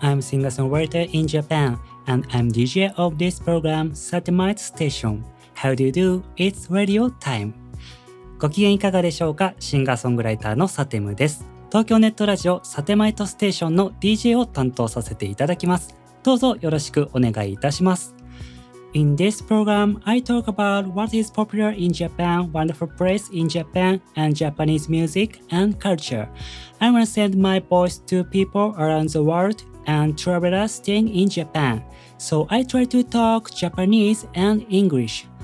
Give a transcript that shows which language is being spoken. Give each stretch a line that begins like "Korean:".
English: I'm singer-songwriter in Japan, and I'm DJ of this program, Satemite Station. How do you do? It's radio time.
Japanese: ご機嫌いかがでしょうか？シンガーソングライターのサテムです。東京ネットラジオサテマイトステーションの DJ を担当させていただきます。どうぞよろしくお願いいたします。
English: In this program, I talk about what is popular in Japan, wonderful place in Japan, and Japanese music and culture. I will send my voice to people around the world and travelers staying in Japan. So I try to talk Japanese and English.